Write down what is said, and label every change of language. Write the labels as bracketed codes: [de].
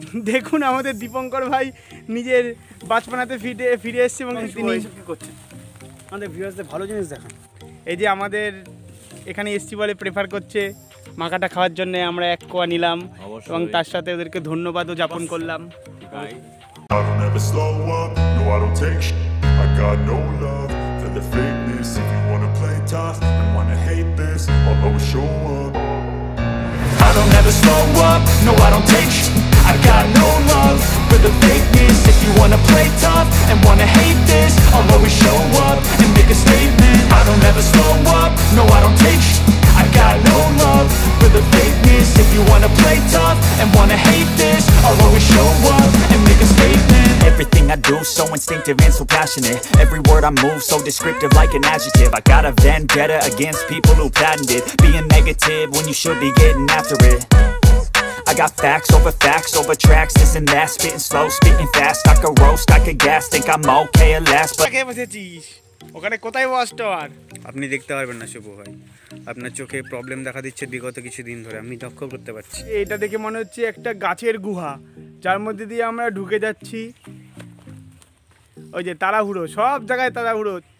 [bn] দেখুন আমাদের দীপঙ্কর ভাই নিজের বাঁচপানাতে ফিরে এসছে এবং তিনি করছেন আমাদের ভিউয়ার্সদের ভালো জিনিস দেখান। এই যে আমাদের এখানে এসছি বলে প্রেফার করছে মাকাটা খাওয়ার জন্যে, আমরা এক কোয়া নিলাম এবং তার সাথে ওদেরকে ধন্যবাদও জ্ঞাপন করলাম। [en] I don't ever slow up, no I don't take sh**. I got no love for the fakeness. If you wanna play tough and wanna hate this, I'll always show up. I don't ever slow up, no I don't take sh**. I got no love for the fakeness. If you wanna play tough and wanna hate this, I'll always show up and make a statement. I don't ever slow up, no I don't take sh**. I got no love for the fakeness. If you wanna play tough and wanna hate this, I'll always show up and make a statement. Everything I do so instinctive and so passionate. Every word I move so descriptive like an adjective. I got a vendetta against people who patented being negative when you should be getting after it. I got facts over tracks, this and that. Spitting slow, spitting fast. I could roast, I could gas. Think I'm okay at last. But okay, what's the [bn] ওখানে কোথায় বসতো আর আপনি দেখতে পারবেন না শুভ ভাই আপনার চোখে প্রবলেম দেখা দিচ্ছে বিগত কিছুদিন ধরে আমি লক্ষ্য করতে পারছি এইটা দেখে মনে হচ্ছে একটা গাছের গুহা যার মধ্যে দিয়ে আমরা ঢুকে যাচ্ছি ওই যে তাড়াহুড়ো সব জায়গায় তাড়াহুড়ো